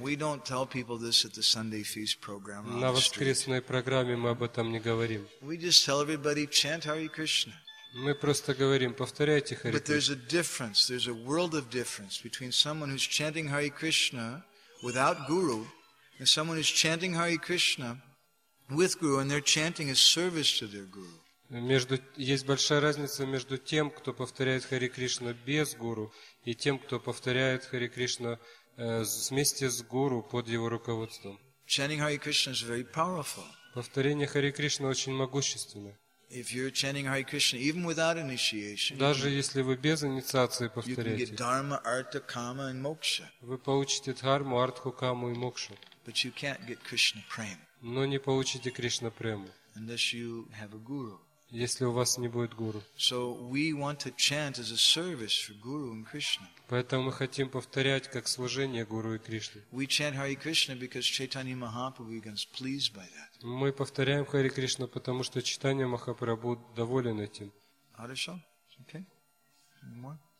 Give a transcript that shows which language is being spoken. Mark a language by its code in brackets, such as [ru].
[en] We don't tell people this at the Sunday feast program. [ru] На воскресной программе мы об этом не говорим. [en] We just tell everybody chant Hare Krishna. [ru] Мы просто говорим, повторяйте Хари Кришна. [en] But there's a difference. There's a world of difference between someone who's chanting Hare Krishna without guru and someone who's chanting Hare Krishna with guru and they're chanting as service to their guru. [ru] Есть большая разница между тем, кто повторяет Хари Кришна без гуру, и тем, кто повторяет Хари Кришна вместе с гуру под его руководством. [en] Chanting Hare Krishna is very powerful. [ru] Повторение Хари Кришна очень могущественно. [en] If you're chanting Hare Krishna even without initiation, [ru] даже если вы без инициации повторяете, [en] you can get dharma, artha, kama and moksha. [ru] Вы получите дхарму, артху, каму и мокшу. [en] But you can't get Krishna prema. [ru] Но не получите Кришна прему. [en] Unless you have a guru. [ru] Если у вас не будет гуру. [en] So we want to chant as a service for Guru and Krishna. [ru] Поэтому мы хотим повторять как служение Гуру и Кришне. [en] We chant Hare Krishna because Chaitanya Mahaprabhu becomes pleased by that. [ru] Мы повторяем Хари Кришну, потому что Чайтанья Махапрабху доволен этим. Хорошо? [en] Okay. Any more?